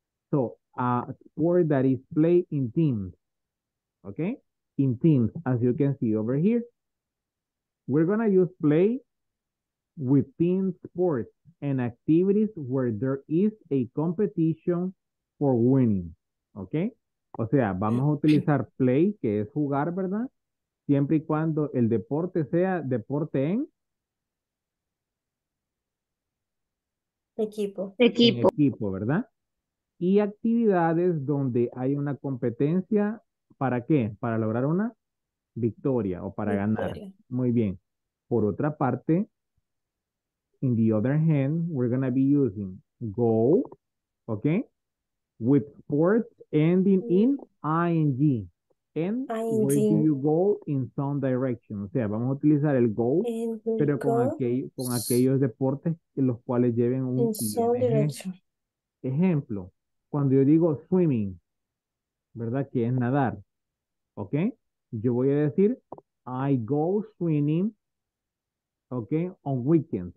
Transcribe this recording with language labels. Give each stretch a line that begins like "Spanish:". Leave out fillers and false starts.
English: So a sport that is played in teams, okay? In teams, as you can see over here, we're gonna use play with team sports and activities where there is a competition for winning, okay?
Spanish: O sea, vamos a utilizar play, que es jugar, ¿verdad? Siempre y cuando el deporte sea deporte en Equipo. Equipo. Equipo, ¿verdad? Y actividades donde hay una competencia, ¿para qué? Para lograr una victoria o para ganar. Victoria. Muy bien. Por otra parte,
English: in the other hand, we're going to be using go, okay, with sports ending in ing. And where do ING. you go in some direction?
Spanish: O sea, vamos a utilizar el go,
English: And
Spanish: pero con aquellos deportes en los cuales lleven un
English: in some ing. direction.
Spanish: Ejemplo, cuando yo digo swimming, ¿verdad? Que es nadar. ¿Ok? Yo voy a decir,
English: I go swimming, ¿ok? On weekends.